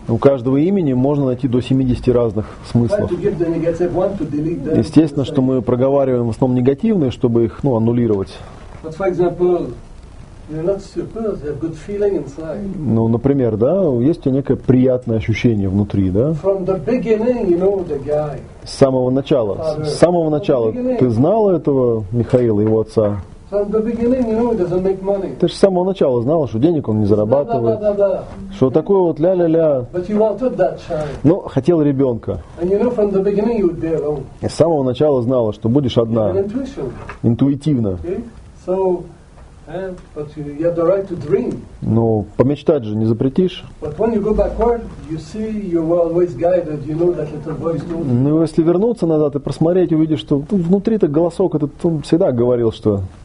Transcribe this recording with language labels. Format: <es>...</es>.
<ru>У каждого имени можно найти до 70 разных смыслов. Естественно, что мы проговариваем в основном негативные, чтобы их, ну, аннулировать.</ru> <en>But for example, they're not supposed, they have good feeling inside.</en> <ru>Ну, например, да, есть у тебя некое приятное ощущение внутри, да?</ru> <en>From the beginning, you know the guy.</en> <ru>С самого начала. С самого начала ты знала этого Михаила, его отца?</ru> <en>From the beginning, you know, he doesn't make money.</en> <ru>Ты же с самого начала знала, что денег он не зарабатывает. Да, да, да, да. Что такое вот ля-ля-ля.</ru> <en>But you wanted that child.</en> <ru>Ну, хотел ребенка.</ru> <en>And you know, from the beginning, you would be alone.</en> <ru>И с самого начала знала, что будешь одна.</ru> <en>An intuition.</en> <ru>Интуитивно.</ru> <en>Okay? So, but you have the right to dream.</en> <ru>Ну, помечтать же не запретишь.</ru> <en>But when you go backward, you see you were always guided, you know that little voice knows.</en> <ru>Ну, если вернуться назад и просмотреть, увидишь, что внутри-то голосок этот он всегда говорил, что...</ru>